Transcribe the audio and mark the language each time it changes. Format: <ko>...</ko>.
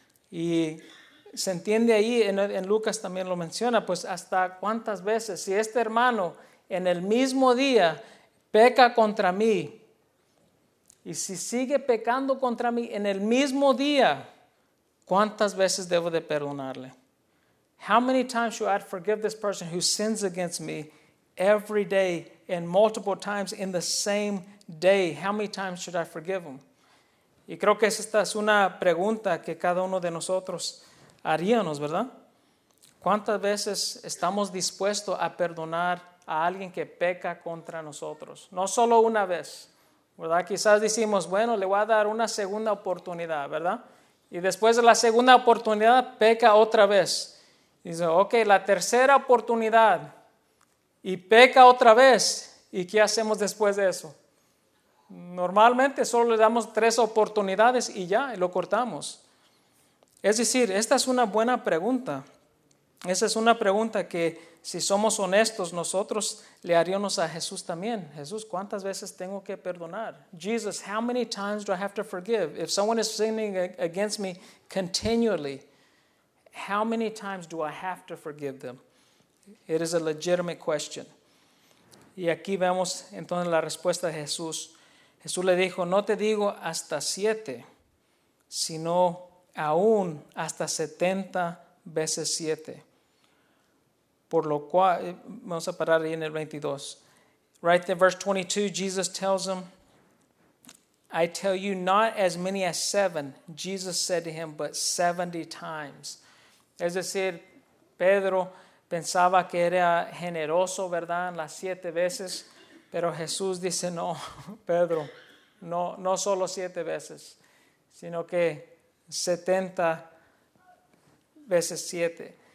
<es>Y se entiende ahí, en Lucas también lo menciona, pues hasta cuántas veces, si este hermano en el mismo día peca contra mí, y si sigue pecando contra mí en el mismo día, ¿cuántas veces debo de perdonarle?</es> <en>How many times should I forgive this person who sins against me every day and multiple times in the same day? How many times should I forgive him?</en> <es>Y creo que esta es una pregunta que cada uno de nosotros haríamos, ¿verdad? ¿Cuántas veces estamos dispuestos a perdonar a alguien que peca contra nosotros? No solo una vez, ¿verdad? Quizás decimos, bueno, le voy a dar una segunda oportunidad, ¿verdad? Y después de la segunda oportunidad, peca otra vez. Y dice, ok, la tercera oportunidad, y peca otra vez. ¿Y qué hacemos después de eso? Normalmente solo le damos tres oportunidades y ya, y lo cortamos. Es decir, esta es una buena pregunta. Esa es una pregunta que, si somos honestos, nosotros le haríamos a Jesús también. Jesús, ¿cuántas veces tengo que perdonar?</es> <en>Jesus, how many times do I have to forgive? If someone is sinning against me continually, how many times do I have to forgive them? It is a legitimate question.</en> <es>Y aquí vemos entonces la respuesta de Jesús. Jesús le dijo, no te digo hasta siete, sino aún hasta 70 veces 7. Por lo cual, vamos a parar ahí en el 22.</es> <en>Right there, verse 22, Jesus tells him, I tell you, not as many as seven, Jesus said to him, but 70 times.</en> <es>Es decir, Pedro pensaba que era generoso, ¿verdad?, en las siete veces, pero Jesús dice, no, Pedro, no solo siete veces, sino que 70 veces 7.</es>